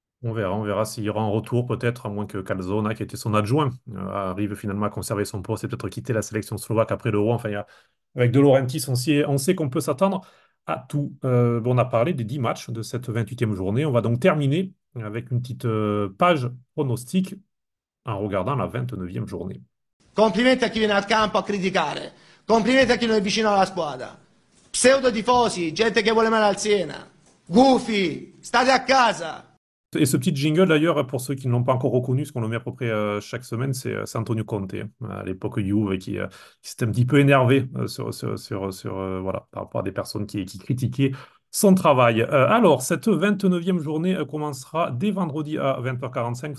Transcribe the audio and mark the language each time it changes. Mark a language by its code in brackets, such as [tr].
[fr] On verra s'il y aura un retour peut-être, à moins que Calzona, qui était son adjoint, arrive finalement à conserver son poste et peut-être quitter la sélection slovaque après l'Euro. Enfin, avec De Laurentiis, on sait qu'on peut s'attendre à tout. Bon, on a parlé des 10 matchs de cette 28e journée. On va donc terminer avec une petite page pronostique en regardant la 29e journée. [it] Complimenti a chi viene al campo a criticare, complimenti a chi non è vicino alla squadra. Pseudo tifosi, gente che vuole male al Siena. Gufi, state a casa. [fr] Et ce petit jingle, d'ailleurs, pour ceux qui ne l'ont pas encore reconnu, ce qu'on le met à peu près chaque semaine, c'est Antonio Conte, à l'époque Juve, qui s'était un petit peu énervé voilà, par rapport à des personnes qui critiquaient son travail. Alors, cette 29e journée commencera dès vendredi à 20h45.